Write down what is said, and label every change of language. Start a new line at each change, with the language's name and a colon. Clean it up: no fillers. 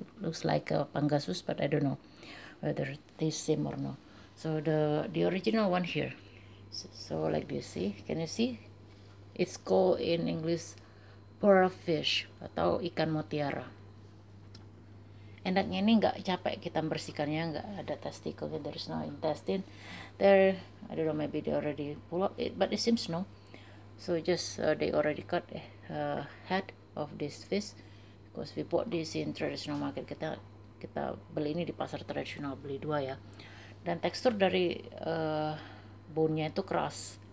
English: Looks like a pangasus, but I don't know whether it is same or no. So the original one here. So like this, see? Can you see? It's called in English pearl fish
Indonesian: atau ikan mutiara. Enaknya ini enggak capek kita bersihkannya, enggak ada testicle,
English: there is no intestine. There, I don't know, maybe they already pull up it, but it seems no. So just they already cut head of this fish, because we bought this in traditional market.
Indonesian: Kita beli ini di pasar tradisional, beli dua ya. Dan tekstur dari bone-nya itu keras.